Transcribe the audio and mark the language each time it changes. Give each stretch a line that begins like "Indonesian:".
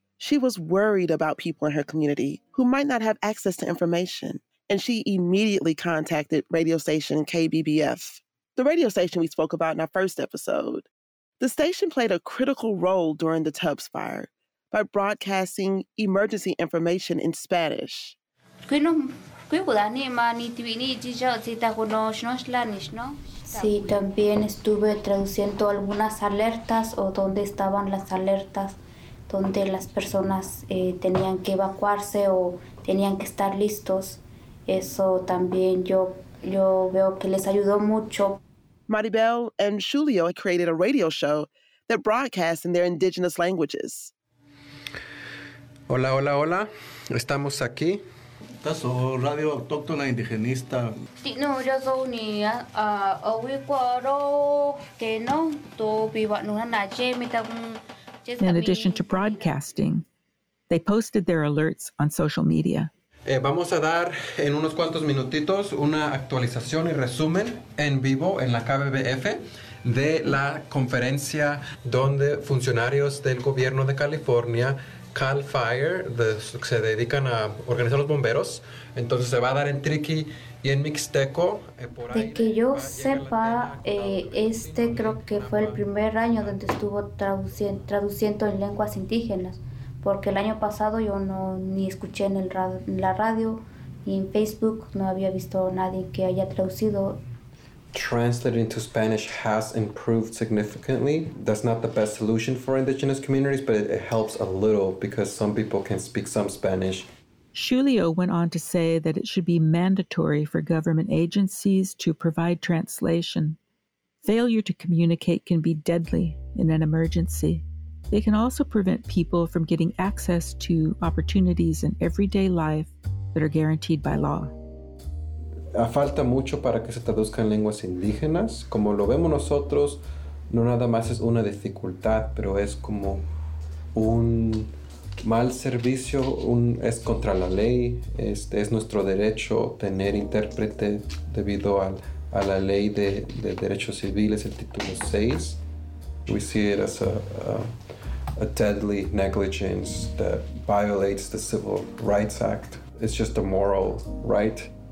English: She was worried about people in her community who might not have access to information, and she immediately contacted radio station KBBF. The radio station we spoke about in our first episode. The station played a critical role during the Tubbs fire by broadcasting emergency information in Spanish.
Spanish: Sí, también estuve traduciendo algunas alertas o dónde estaban las alertas, donde las personas tenían que evacuarse o tenían que estar listos. Eso también yo veo que les ayudó mucho.
English: Maribel and Julio created a radio show that broadcasts in their indigenous languages.
Spanish: Hola, hola, hola. Estamos aquí. Taso radio autóctona indigenista. No, yo soy niña. Oiguaro que no to viva no na jemita.
English: In addition to broadcasting, they posted their alerts on social media.
Spanish: Vamos a dar en unos cuantos minutitos una actualización y resumen en vivo en la KBBF de la conferencia donde funcionarios del gobierno de California, CAL FIRE, se dedican a organizar los bomberos. Entonces se va a dar en Triqui y en Mixteco. Por de ahí que yo sepa, creo que fue el primer año donde estuvo traduciendo en lenguas indígenas. Porque el año pasado yo no ni escuché en la radio ni en Facebook, no había visto a nadie que haya traducido.
English: Translated into Spanish has improved significantly. That's not the best solution for indigenous communities, but it helps a little because some people can speak some Spanish. Julio went on to say that it should be mandatory for government agencies to provide translation. Failure to communicate can be deadly in an emergency. They can also prevent people from getting access to opportunities in everyday life that are guaranteed by law.
Spanish: Falta mucho para que se traduzcan lenguas indígenas. Como lo vemos nosotros, no nada más es una dificultad, pero es como un mal servicio, es contra la ley, es nuestro derecho tener intérprete debido a la ley de derechos civiles, el título 6.
English: We see it as a deadly negligence that violates the Civil Rights Act. It's just a moral right.